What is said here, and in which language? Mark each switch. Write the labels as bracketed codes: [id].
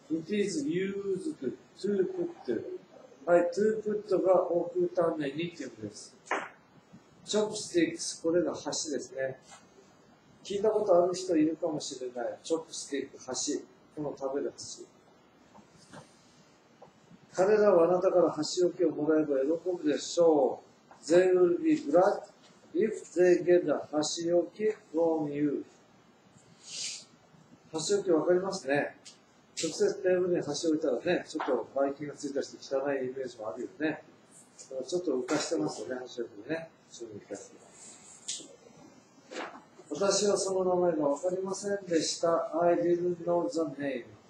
[en] It is used to put. [ja] はい、to put が置くためにっていうことです。 Chopsticks、これが箸ですね。聞いたことある人いるかもしれない。 Chopstick、箸。この食べる箸。彼らはあなたから箸置きをもらえば喜ぶでしょう。 [en] They will be glad if they get a 箸置き from you. [ja] 箸置き分かりますね。直接テーブルに箸置いたらね、ちょっとバイキンがついたりして汚いイメージもあるよね。ちょっと浮かしてますよね、箸置きね。注意してください。私はその名前が分かりませんでした。 [en] I didn't know the name.